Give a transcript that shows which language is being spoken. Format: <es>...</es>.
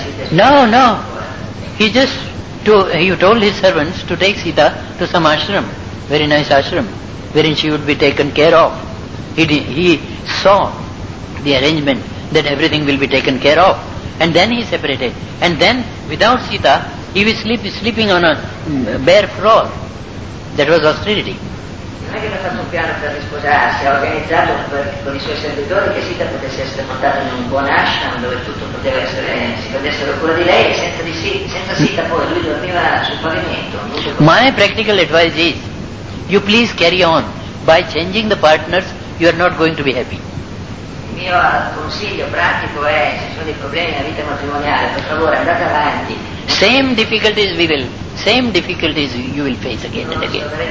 <en>No. He told his servants to take Sita to some ashram, very nice ashram, wherein she would be taken care of. He saw the arrangement that everything will be taken care of. And then he separated. And then without Sita, he was sleeping on a bare floor. That was austerity.</en> <it>Non è che ha fatto un piano per risposarsi, ha organizzato con i suoi servitori che Sita potesse essere portata in un buon ashram dove tutto poteva essere, si prendessero cura di lei, senza Sita poi lui dormiva sul pavimento.</it> <en>My practical advice is, you please carry on. By changing the partners, you are not going to be happy.</en> <it>Il mio consiglio pratico è, se sono dei problemi nella vita matrimoniale, per favore andate avanti.</it> <en>Same difficulties you will face again and again.</en>